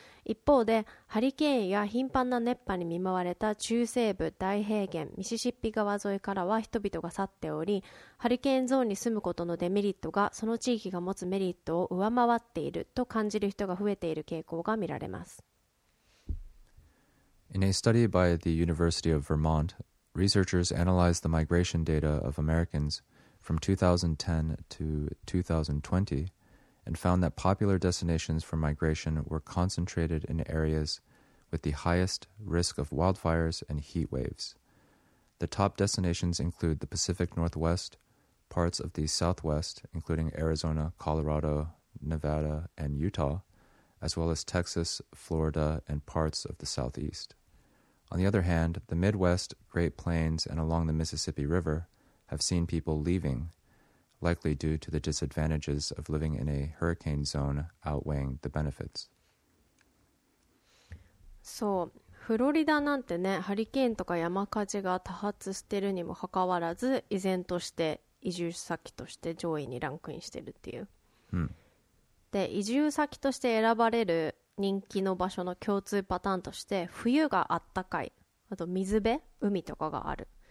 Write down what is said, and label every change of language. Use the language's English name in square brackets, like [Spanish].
[Japanese] 一方でハリケーンや頻繁な熱波に見舞われた中西部、大平原、ミシシッピ川沿いからは人々が去っており、ハリケーンゾーンに住むことのデメリットがその地域が持つメリットを上回っていると感じる人が増えている傾向が見られます。 [English] In a study by the University of Vermont, researchers analyzed the migration data of Americans from 2010 to 2020and found that popular destinations for migration were concentrated in areas with the highest risk of wildfires and heat waves. The top destinations include the Pacific Northwest, parts of the Southwest, including Arizona, Colorado, Nevada, and Utah, as well as Texas, Florida, and parts of the Southeast. On the other hand, the Midwest, Great Plains, and along the Mississippi River have seen people leaving, likely due to the disadvantages of living in a hurricane zone outweighing the benefits. [Japanese] そう、フロリダなんてね、ハリケーンとか山火事が多発してるにもかかわらず、依然として移住先として上位にランクインしてるっていう。で、移住先として選ばれる人気の場所の共通パターンとして、冬があったかい、あと水辺、海とかがある。